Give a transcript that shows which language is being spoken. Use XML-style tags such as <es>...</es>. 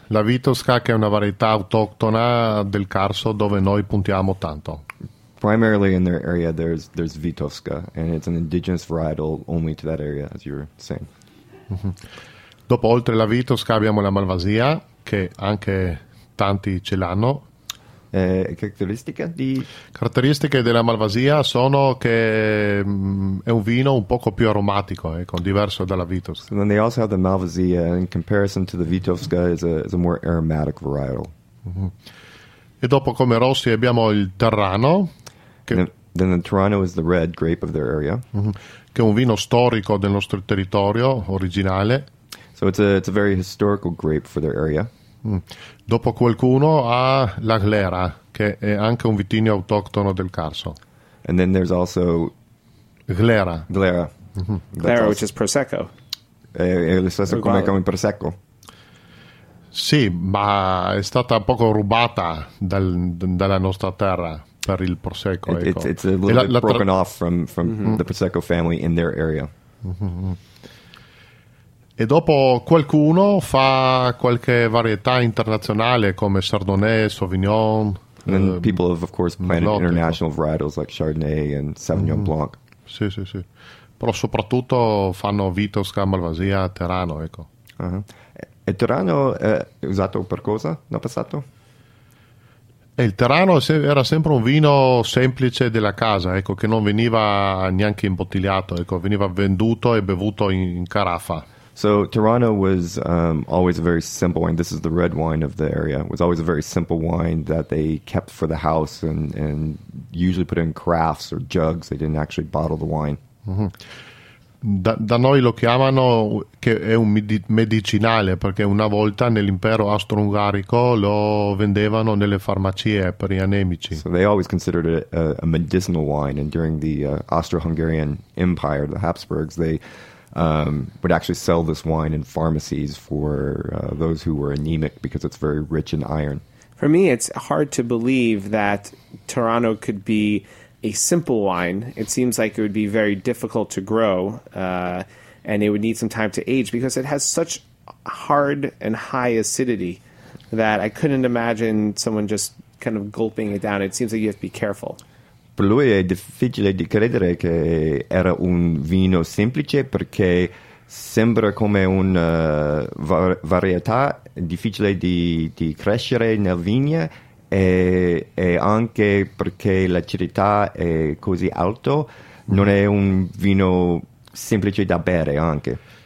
<it>La Vitovska, che è una varietà autoctona del Carso, dove noi puntiamo tanto.</it> <en>Primarily in their area, there's Vitovska, and it's an indigenous varietal only to that area, as you were saying.</en> <it>Dopo, oltre la Vitovska, abbiamo la Malvasia, che anche tanti ce l'hanno. Caratteristiche di? Caratteristiche della Malvasia sono che è un vino un poco più aromatico, ecco, diverso dalla Vitovska.</it> <en>And then they also have the Malvasia, and in comparison to the Vitovska, is a more aromatic varietal.</en> <it>E dopo, come rossi, abbiamo il Terrano.</it> <en>Then the Terrano is the red grape of their area.</en> <it>Che è un vino storico del nostro territorio originale.</it> <en>So it's a very historical grape for their area.</en> <it>Dopo qualcuno ha la Glera, che è anche un vitigno autoctono del Carso.</it> <en>And then there's also Glera. Glera. Mm-hmm. Glera, awesome. Which is Prosecco.</en> <it>Lo stesso come con il Prosecco. Sì, ma è stata poco rubata dalla nostra terra per il Prosecco.</it> <en>It's a little bit broken off from mm-hmm. the Prosecco family in their area. Mm-hmm.</en> <it>E dopo qualcuno fa qualche varietà internazionale come Chardonnay, Sauvignon.</it> <en>And then people have, of course, planted international varietals like Chardonnay and Sauvignon mm-hmm. Blanc.</en> <it>Sì, sì, sì. Però soprattutto fanno Vitosca, Malvasia, Terrano, ecco. Uh-huh. E Terrano è usato per cosa nel passato? E il Terrano era sempre un vino semplice della casa, ecco, che non veniva neanche imbottigliato, ecco, veniva venduto e bevuto in caraffa.</it> <en>So Terrano was always a very simple wine. This is the red wine of the area. It was always a very simple wine that they kept for the house and usually put in crafts or jugs. They didn't actually bottle the wine. Mm-hmm.</en> <it>Da noi lo chiamano che è un medicinale, perché una volta nell'impero austro-ungarico lo vendevano nelle farmacie per gli anemici.</it> <en>So they always considered it a medicinal wine, and during the Austro-Hungarian Empire, the Habsburgs, they would actually sell this wine in pharmacies for those who were anemic, because it's very rich in iron. For me, it's hard to believe that Terrano could be a simple wine. It seems like it would be very difficult to grow, and it would need some time to age, because it has such hard and high acidity that I couldn't imagine someone just kind of gulping it down. It seems like you have to be careful.</en> <it>Per lui è difficile di credere che era un vino semplice, perché sembra come una varietà difficile di crescere nella vigna, e anche perché l'acidità è così alto, non è un vino semplice da bere anche.</it>